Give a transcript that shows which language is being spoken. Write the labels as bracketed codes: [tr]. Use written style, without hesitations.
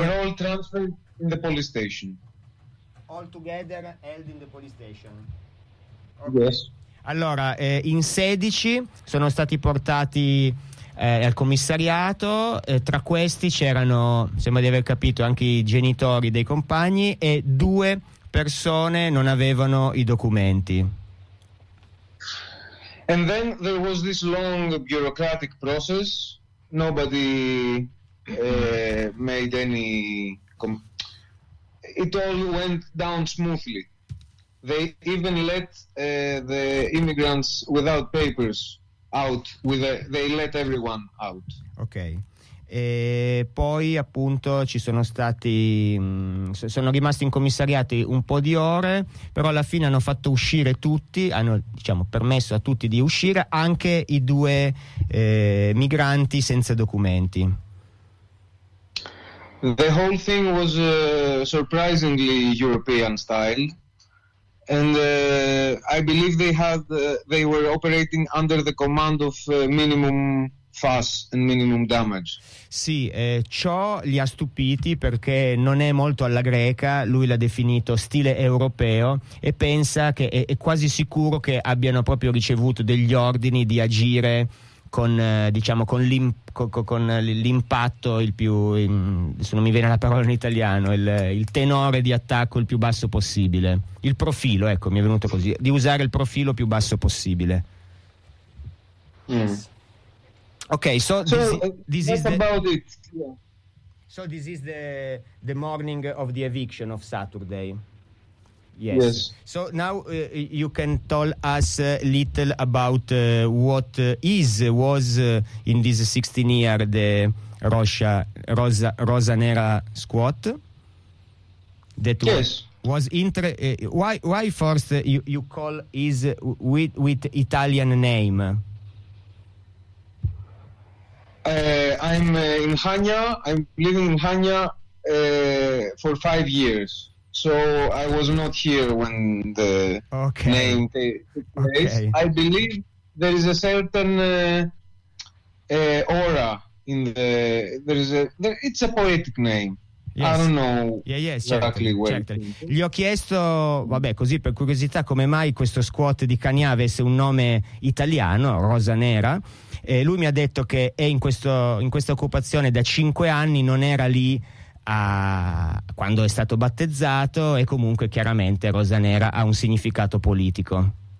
[en] We were all transferred in the police station. All together held in the police station. Okay. Yes. [it] Allora, in 16 sono stati portati al commissariato, tra questi c'erano, sembra di aver capito, anche i genitori dei compagni, e due persone non avevano i documenti. [en] And then there was this long bureaucratic process. Nobody made any. It all went down smoothly. They even let the immigrants without papers out. They let everyone out. Okay. [it] E poi appunto ci sono stati, sono rimasti in commissariati un po' di ore, però alla fine hanno fatto uscire tutti, hanno, diciamo, permesso a tutti di uscire, anche i due migranti senza documenti. [en] The whole thing was surprisingly European style, and I believe they were operating under the command of minimum fast and minimum damage. [it] Sì, ciò li ha stupiti perché non è molto alla greca, lui l'ha definito stile europeo e pensa che è quasi sicuro che abbiano proprio ricevuto degli ordini di agire con diciamo con l'impatto il più se non mi viene la parola in italiano il tenore di attacco il più basso possibile, il profilo, ecco, mi è venuto così, di usare il profilo più basso possibile. [en] Okay, so this is the morning of the eviction of Saturday. Yes. So now you can tell us a little about what was in this 16 year the Rosanera squat. That was why first you call is with Italian name. I'm in Hagna. I'm living in Hagna for 5 years. So I was not here when the name took place. Okay. I believe there is a certain aura in the. It's a poetic name. Yes. I don't know exactly where. [it] Certo. Gli ho chiesto, così per curiosità, come mai questo squat di Cagna avesse un nome italiano, Rosa Nera. E lui mi ha detto che è in questa occupazione da 5 anni, non era lì quando è stato battezzato, e comunque chiaramente Rosa Nera ha un significato politico.